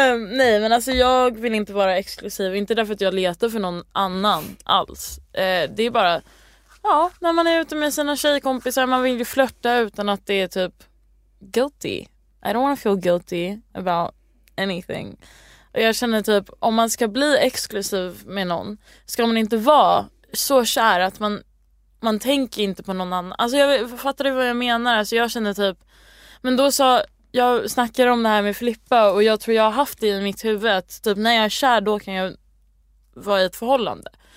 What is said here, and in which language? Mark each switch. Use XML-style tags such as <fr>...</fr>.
<sv>Nej, men alltså jag vill inte vara exklusiv. Inte därför att jag letar för någon annan alls. Det är bara, ja, när man är ute med sina tjejkompisar, man vill ju flirta utan att det är typ guilty.</sv> <en>I don't want to feel guilty about anything.</en> <sv>Och jag känner typ, om man ska bli exklusiv med någon, ska man inte vara så kär att man tänker inte på någon annan. Alltså jag fattar vad jag menar. Alltså jag känner typ, men då sa jag, snackade om det här med Filippa, och jag tror jag har haft det i mitt huvud att typ när jag är kär, då kan jag vara i ett förhållande.</sv>